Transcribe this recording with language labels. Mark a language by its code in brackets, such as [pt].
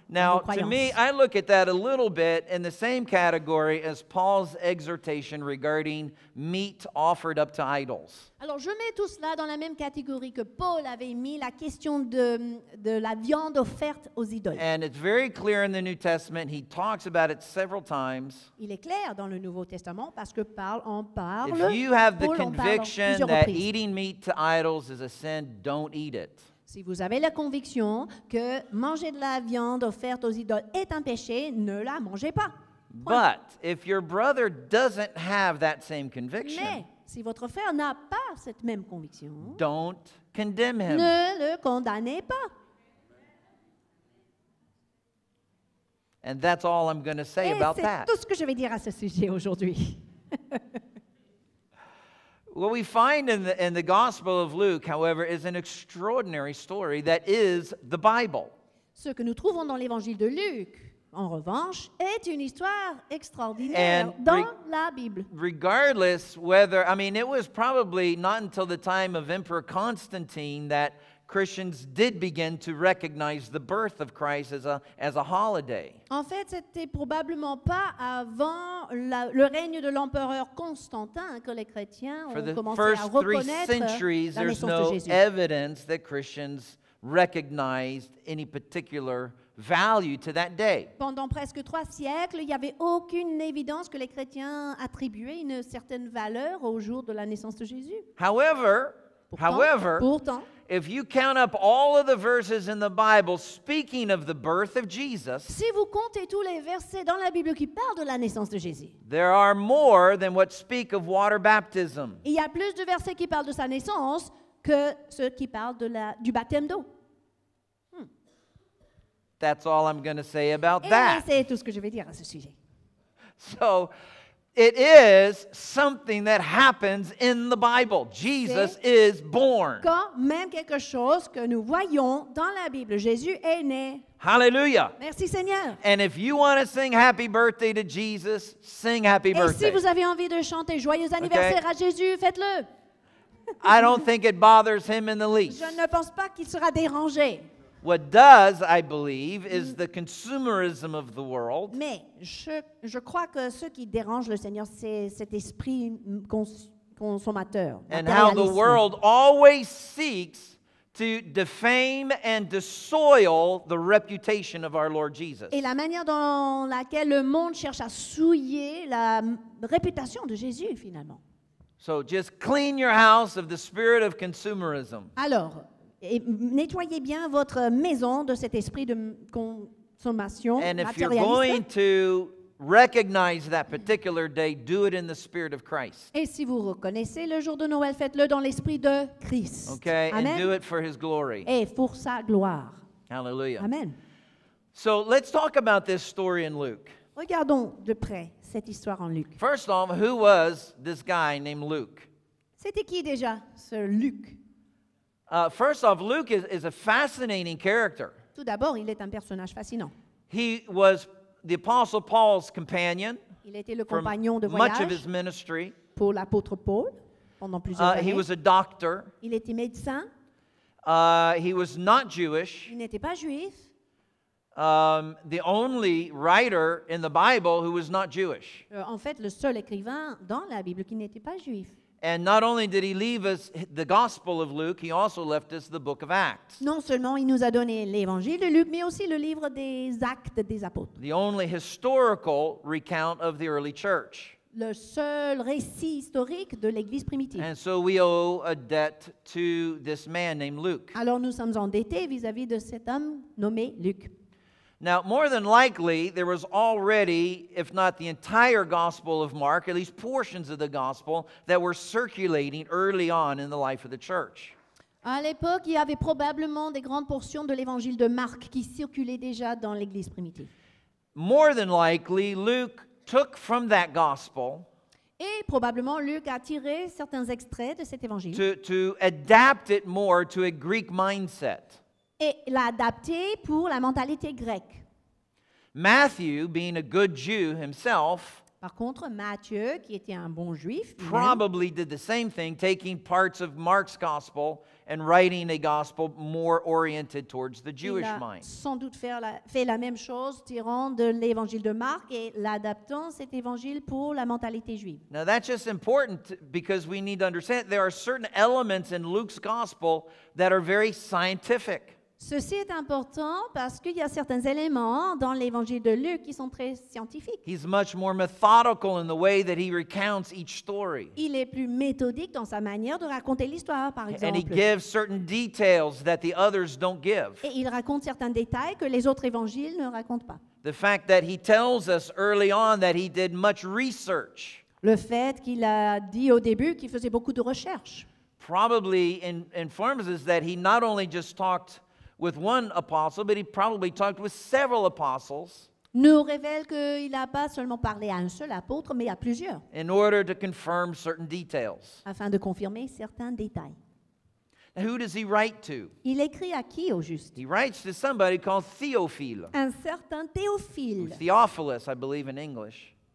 [en] Now, to me, I look at that a little bit in the same category as Paul's exhortation regarding meat offered up to idols. [fr] Alors, je mets tout cela dans la même catégorie que Paul avait mis la question de la viande offerte aux idoles. [en] And it's very clear in the New Testament. He talks about it several times. [fr] Il est clair dans le Nouveau Testament parce que Paul en parle. [en] If you have the Paul conviction that eating meat to idols is a sin, don't eat it. [fr] Si vous avez la conviction que manger de la viande offerte aux idoles est un péché, ne la mangez pas. Point. [en] But if your brother doesn't have that same conviction, [fr] mais si votre frère n'a pas cette même conviction, [en] don't condemn him. [fr] Ne le condamnez pas. [en] And that's all I'm going to say [fr] et [en] about [fr] c'est [en] that. [fr] Tout ce que je vais dire à ce sujet aujourd'hui. [en] What we find in the Gospel of Luke, however, is an extraordinary story that is the Bible. [fr] Ce que nous trouvons dans l'Évangile de Luc, en revanche, est une histoire extraordinaire [en] and [fr] dans la Bible. [en] Regardless whether, I mean, it was probably not until the time of Emperor Constantine that Christians did begin to recognize the birth of Christ as a holiday. [fr] En fait, c'était probablement pas avant le règne de l'empereur Constantin que les chrétiens ont commencé à reconnaître la naissance de Jésus. [en] For the first three centuries, there's no evidence that Christians recognized any particular value to that day. [fr] Pendant presque trois siècles, il n'y avait aucune évidence que les chrétiens attribuaient une certaine valeur au jour de la naissance de Jésus. [en] However, if you count up all of the verses in the Bible speaking of the birth of Jesus, [fr] si vous comptez tous les versets dans la Bible qui parlent de la naissance de Jésus, [en] there are more than what speak of water baptism. [fr] Il y a plus de versets qui parlent de sa naissance que ceux qui parlent du baptême d'eau. [en] That's all I'm going to say about [fr] et [en] that. [fr] Et c'est tout ce que je vais dire à ce sujet. [en] So, it is something that happens in the Bible. Jesus is born. [fr] Quand même quelque chose que nous voyons dans la Bible. Jésus est né. Hallelujah. Merci Seigneur. [en] And if you want to sing happy birthday to Jesus, sing happy birthday. [fr] Et si vous avez envie de chanter joyeux anniversaire okay. à Jésus, faites-le. [en] I don't think it bothers him in the least. [fr] Je ne pense pas qu'il sera dérangé. [en] What does, I believe, is the consumerism of the world. [fr] Mais je crois que ce qui dérange le Seigneur, c'est cet esprit consommateur. [en] And how the world always seeks to defame and soil the reputation of our Lord Jesus. [fr] Et la manière dans laquelle le monde cherche à souiller la réputation de Jésus finalement. [en] So just clean your house of the spirit of consumerism. [fr] Alors, nettoyez bien votre maison de cet esprit de consommation matérialiste. [en] And if you're going to recognize that particular day, do it in the spirit of Christ. [fr] Et si vous reconnaissez le jour de Noël, faites-le dans l'esprit de Christ. [en] Okay, amen. And do it for his glory. [fr] Et pour sa gloire. Hallelujah. Amen. [en] So let's talk about this story in Luke. [fr] Regardons de près cette histoire en Luc. [en] First off, who was this guy named Luke? [fr] C'était qui déjà ce Luc? [en] First off, Luke is a fascinating character. [fr] Tout d'abord, il est un personnage fascinant. [en] He was the Apostle Paul's companion. [fr] Il était le compagnon de voyage [en] much of his ministry. [fr] Pour l'apôtre Paul pendant plusieurs années. [en] He was a doctor. [fr] Il était médecin. [en] He was not Jewish. [fr] Il n'était pas juif. [en] The only writer in the Bible who was not Jewish. [fr] En fait, le seul écrivain dans la Bible qui n'était pas juif. [en] And not only did he leave us the Gospel of Luke, he also left us the Book of Acts. [fr] Non seulement il nous a donné l'Évangile de Luc, mais aussi le livre des Actes des Apôtres. [en] The only historical recount of the early church. [fr] Le seul récit historique de l'Église primitive. [en] And so we owe a debt to this man named Luke. [fr] Alors nous sommes endettés vis-à-vis de cet homme nommé Luc. [en] Now, more than likely, there was already, if not the entire Gospel of Mark, at least portions of the Gospel, that were circulating early on in the life of the church. [fr] À l'époque, il y avait probablement des grandes portions de l'Évangile de Marc qui circulaient déjà dans l'Église primitive. [en] More than likely, Luke took from that Gospel. [fr] Et probablement, Luc a tiré certains extraits de cet Évangile. [en] To adapt it more to a Greek mindset. [fr] Et l'adapter pour la mentalité grecque. [en] Matthew, being a good Jew himself, [fr] par contre, Matthieu, qui était un bon juif, [en] probably did the same thing, taking parts of Mark's gospel and writing a gospel more oriented towards the Jewish mind. [fr] Il a sans doute fait la même chose, tirant de l'évangile de Marc et l'adaptant cet évangile pour la mentalité juive. [en] Now that's just important because we need to understand there are certain elements in Luke's gospel that are very scientific. [fr] Ceci est important parce qu'il y a certains éléments dans l'Évangile de Luc qui sont très scientifiques. [en] He's much more methodical in the way that he recounts each story. [fr] Il est plus méthodique dans sa manière de raconter l'histoire, par exemple. [en] And he gives certain details that the others don't give. [fr] Et il raconte certains détails que les autres évangiles ne racontent pas. [en] The fact that he tells us early on that he did much research. [fr] Le fait qu'il a dit au début qu'il faisait beaucoup de recherches. [en] Probably informs us that he not only just talked with one apostle, but he probably talked with several apostles. [fr] Nous révèle qu'il n'a pas seulement parlé à un seul apôtre, mais à plusieurs. [en] In order to confirm certain details. [fr] Afin de confirmer certains détails. [en] Now, who does he write to? [fr] Il écrit à qui au juste? [en] He writes to somebody called Theophile. [fr] Un certain Théophile. [en] Theophilus, I believe in English.